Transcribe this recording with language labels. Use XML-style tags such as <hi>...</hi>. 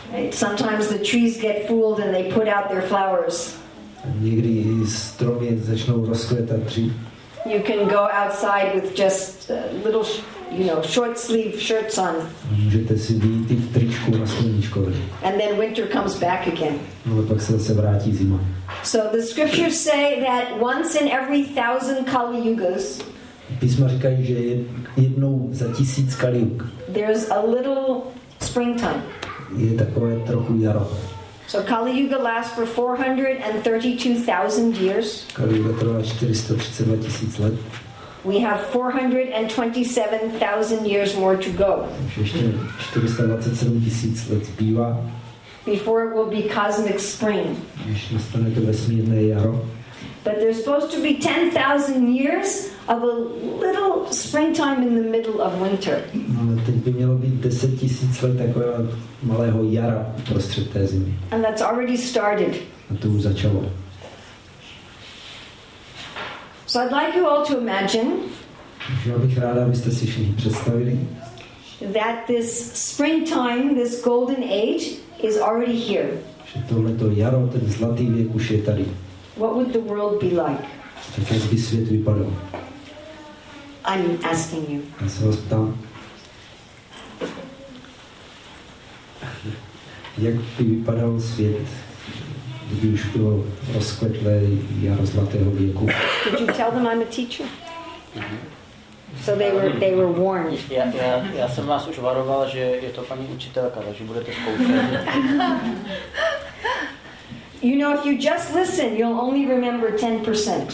<en>Sometimes the trees get fooled and they put out their flowers.</en> <cs>Někdy stromy začnou rozkvětat dřív.</cs> <en>You can go outside with just little, you know, short sleeve shirts on.</en> <cs>Můžete si vyjít i v tričku na sluníčkovi.</cs> <en>And then winter comes back again.</en> <cs>Ale pak se zase vrátí zima.</cs> <en>So the scriptures say that once in every 1,000 Kali Yugas.</en> <cs>Písma říkají, že jednou za 1,000 Kali Yug.</cs> <en>There's a little springtime.</en> <cs>Je takové trochu jaro.</cs> <en>So Kali Yuga lasts for 432,000 years.</en> <cs>Kali Yuga trvá 432 tisíc let.</cs> <en>We have 427,000 years more to go.</en> <cs>Ještě 427 tisíc let zbývá.</cs> <en>Before it will be cosmic spring.</en> <cs>Ještě nastane to vesmírné jaro.</cs> <en>But there's supposed to be 10,000 years of a little springtime in the middle of winter.</en> <cs>Ale teď by mělo být 10 tisíc let takového malého jara prostřed té zimy.</cs> <en>And that's already started.</en> <cs>A to už začalo.</cs> <en>So I'd like you all to imagine.</en> <cs>Já bych ráda, abyste si všichni představili.</cs> <en>That this springtime, this golden age, is already here.</en> <cs>Že tohleto jaro, ten zlatý věk už je tady.</cs> <en>What would the world be like?</en> <cs>Jak by svět vypadal?</cs> <en>I'm asking you.</en> <cs>Já se vás ptám. Jak by vypadal svět, kdyby už bylo rozkvetlé jaro zlatého věku?</cs> <en>Did you tell them I'm a teacher? So they were warned.</en> <cs>Já jsem vás už varoval, že je to paní učitelka, takže budete zkoušet.</cs> <en>You know, if you just listen, you'll only remember 10%.</en>